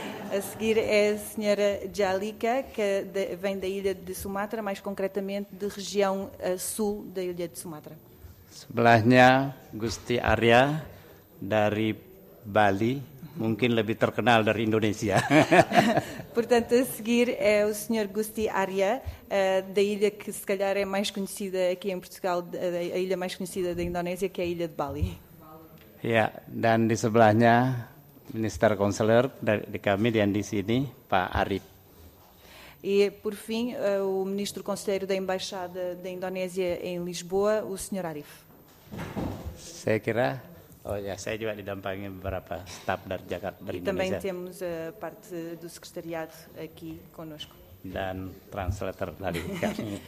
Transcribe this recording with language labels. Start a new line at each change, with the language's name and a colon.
Portuguese: A seguir é a senhora Jelika, que vem da Ilha de Sumatra, mais concretamente da região sul da Ilha de Sumatra.
Indonesian: Sebelahnya, Gusti Arya, dari Bali, mungkin lebih terkenal dari Indonesia.
Portuguese: Portanto, a seguir é o Sr. Gusti Arya, da ilha que se calhar é mais conhecida aqui em Portugal, a ilha mais conhecida da Indonésia, que é a ilha de Bali.
Indonesian: Ya, dan di sebelahnya Minister Counselor dari kami yang di sini, Pak Arif.
Portuguese: E por fim, o Ministro Conselheiro da Embaixada da Indonésia em Lisboa, o Sr. Arif.
Indonesian: Saya kira. Oh ya, saya juga didampingi beberapa staf dari Jakarta.
Portuguese: E também temos a parte do secretariado aqui conosco.
Indonesian: Dan translator dari kami.